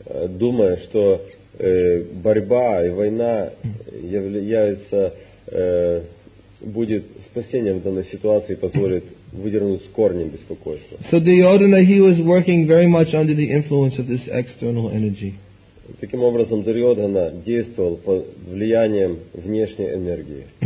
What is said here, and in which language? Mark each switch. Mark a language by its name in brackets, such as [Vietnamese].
[Russian] Думая, что борьба и война является будет спасением в данной ситуации и позволит выдернуть с корнем беспокойство. [English] So Duryodhana, he was working very much under the influence of this external energy. [Russian] Таким образом, Дурьодхана действовал под влиянием внешней энергии.